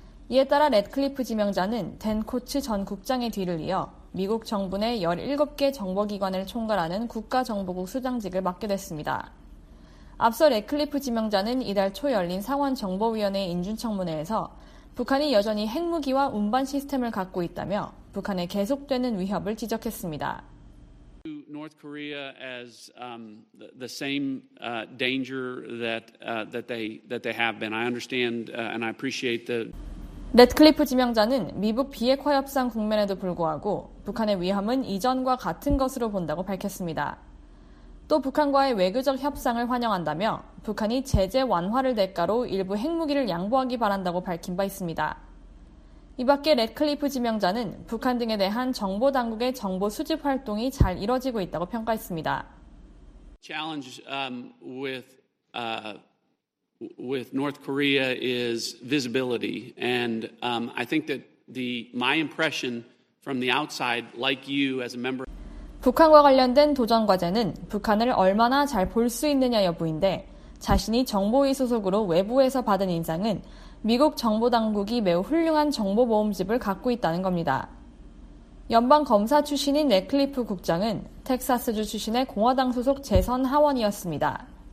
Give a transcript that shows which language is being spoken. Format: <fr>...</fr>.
<ko>이에 따라 래드클리프 지명자는 댄 코츠 전 국장의 뒤를 이어 미국 정부 내 17개 정보기관을 총괄하는 국가정보국 수장직을 맡게 됐습니다. 앞서 래드클리프 지명자는 이달 초 열린 상원정보위원회 인준청문회에서 북한이 여전히 핵무기와 운반 시스템을 갖고 있다며 북한의 계속되는 위협을 지적했습니다.</ko> <en>North Korea as the same danger that they have been. I understand and I appreciate the</en> <ko>래드클리프 지명자는 미북 비핵화 협상 국면에도 불구하고 북한의 위험은 이전과 같은 것으로 본다고 밝혔습니다. 또 북한과의 외교적 협상을 환영한다며 북한이 제재 완화를 대가로 일부 핵무기를 양보하기 바란다고 밝힌 바 있습니다. 이 밖에 래드클리프 지명자는 북한 등에 대한 정보 당국의 정보 수집 활동이 잘 이뤄지고 있다고 평가했습니다.</ko> <en>Challenge with North Korea is visibility, and I think that my impression from the outside, like you as a member.</en> <ko>북한과 관련된 도전 과제는 북한을 얼마나 잘 볼 수 있느냐 여부인데, 자신이 정보위 소속으로 외부에서 받은 인상은 미국 정보 당국이 매우 훌륭한 정보 모음집을 갖고 있다는 겁니다. 연방 검사 출신인 래드클리프 국장은 텍사스주 출신의 공화당 소속 재선 하원이었습니다.</ko>